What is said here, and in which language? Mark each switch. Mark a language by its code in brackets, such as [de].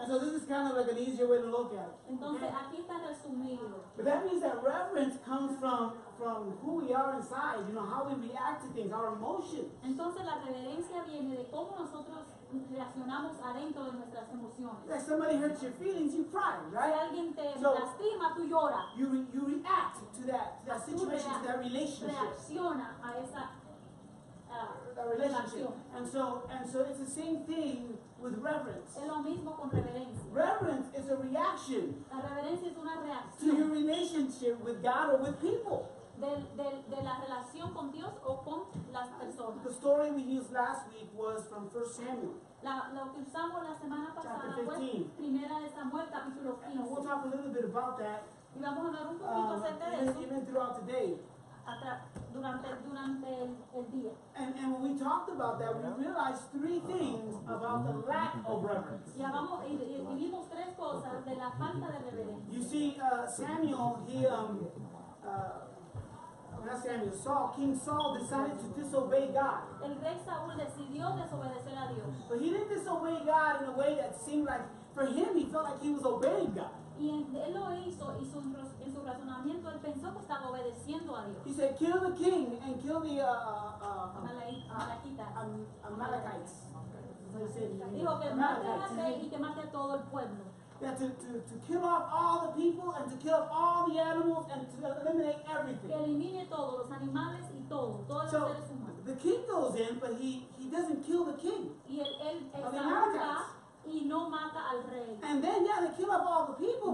[en] And so this is kind of like an easier way to look at it. [es] Entonces, okay? Aquí está resumido. [en] But that means that reverence comes from who we are inside, you know, how we react to things, our emotions. [es] Entonces la reverencia viene de cómo nosotros reaccionamos adentro de nuestras emociones. [en] If somebody hurts your feelings, you cry, right? [es] Si alguien te lastima, tú lloras. [en] You react to that situation, to that relationship. [es] Reacciona a esa [en] relationship. And so it's the same thing with reverence. [es] Es lo mismo con reverencia. [en] Reverence is a reaction. [es] La reverencia es una reacción. [en] To your relationship with God or with people. [es] De la relación con Dios o con las personas. [en] The story we used last week was from 1 Samuel. [es] Lo que usamos la semana pasada [en] chapter 15. [es] Fue Primera de Samuel capítulo 15. [en] And we'll talk a little bit about that. [es] Y vamos a hablar un poquito acerca de eso. [en] Even throughout the day. [es] Durante el día. [en] And when we talked about that, we realized three things about the lack of reverence. [es] Y vimos tres cosas de la falta de reverencia. [en] You see, Samuel, Saul, King Saul decided to disobey God. [es] El rey Saúl decidió desobedecer a Dios. [en] But he didn't disobey God in a way that seemed like, for him, he felt like he was obeying God. [es] Y él lo hizo, y en su razonamiento, él pensó que estaba obedeciendo a Dios. [en] He said, kill the king and kill the Amalekites. [es] Dijo que mate al rey y que mate a todo el pueblo. [en] That to kill off all the people and to kill off all the animals and to eliminate everything. [es] Que elimine todos los animales y todos [en] so, [es] los seres humanos. [en] The king goes in, but he doesn't kill the king. [es] Y él va y no mata al rey. [en] And then, they kill off all the people,